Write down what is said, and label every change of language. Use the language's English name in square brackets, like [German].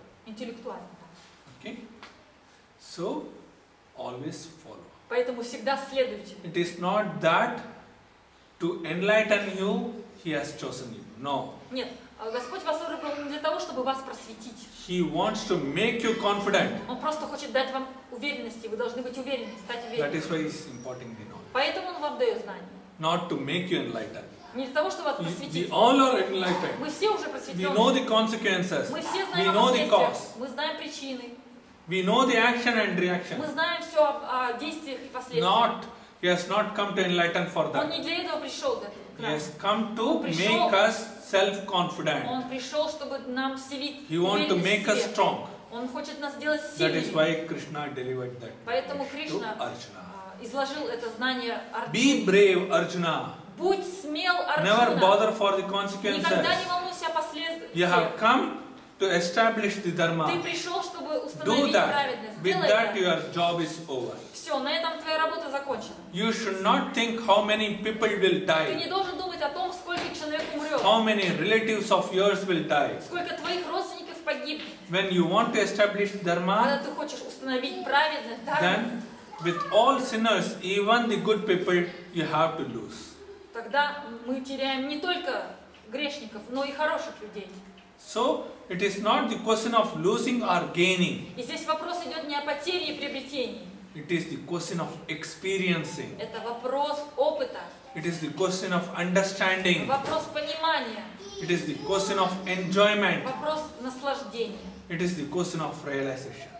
[Russian] Интеллектуально. [English] Okay. So, always follow. [Russian] Поэтому всегда следуйте. [English] It is not that To enlighten you, he has chosen you. No. [Russian] Нет, Господь вас выбрал не для того, чтобы вас просветить. [English] He wants to make you confident. [Russian] Он просто хочет дать вам уверенности. Вы должны быть уверены, стать уверенными. [English] That is why he is imparting the knowledge. [Russian] Поэтому он вам дает знания. [English] Not to make you enlightened. [Russian] Не для того, чтобы вас просветить. [English] We all are enlightened. [Russian] Мы все уже просветлены. [English] We know the consequences. [Russian] Мы все знаем [English] We know the cause. [Russian] Мы знаем причины. [English] We know the action and reaction. [Russian] Мы знаем все о действиях и последствиях. [English] Not He has not come to enlighten for that. [Russian] Он не для этого пришел. Для этого. [English] He has come to make us self-confident. [Russian] Он пришел, чтобы нам вселить [English] He want to make [Russian] себе. [English] Us strong. [Russian] Он хочет нас сделать сильными. [English] That is why Krishna delivered that. [Russian] Поэтому Кришна изложил это знание Арджуне. [English] Be brave, Arjuna. [Russian] Будь смел, Арджуна. [English] Never bother for the consequences. [Russian] Никогда не волнуйся о последствиях. [English] You have come to establish the dharma. [Russian] Ты пришел, чтобы установить праведность. [English] With that, your job is over. [Russian] Все, на этом твоя работа закончена. [English] You should not think how many people will die. [Russian] Ты не должен думать о том, сколько человек умрет. [English] How many relatives of yours will die. [Russian] Сколько твоих родственников погибнет. [English] When you want to establish dharma, [Russian] когда ты хочешь установить праведность, дарма, [English] then with all sinners, even the good people, you have to lose. [Russian] Тогда мы теряем не только грешников, но и хороших людей. [English] So it is not the question of losing or gaining. [Russian] И здесь вопрос идет не о потере и приобретении. [English] It is the question of experiencing. [Russian] Это вопрос опыта. [English] It is the question of understanding. [Russian] Вопрос понимания. [English] It is the question of enjoyment. [Russian] Вопрос наслаждения. [English] It is the question of realization.